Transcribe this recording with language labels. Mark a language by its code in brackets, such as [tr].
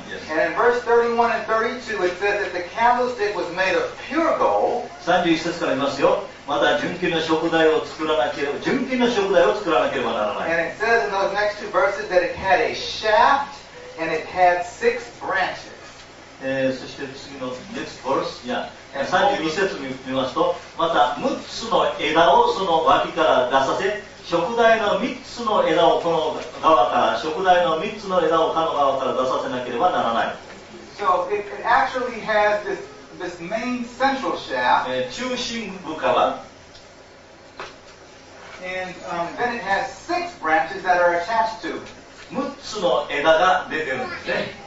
[en] And in verse 31 and 32, it said that the candlestick was made of pure gold. [ja] 31節から見ますよ。また純金の燭台を作らなければ、純金の燭台を作らなければならない。 [en] And it says in those next two verses that it had a shaft and it had six branches. [ja] そして次の [en] next verse、 [ja] 32節を見ますと、また6つの枝をその脇から出させ、燭台の3つの枝をこの側から、燭台の3つの枝をこの側から出させなければならない。 [en] So it actually has this main central shaft. [ja] 中心部から。 [en] And then it has six branches that are attached to. [ja] 6つの枝が出てるんですね。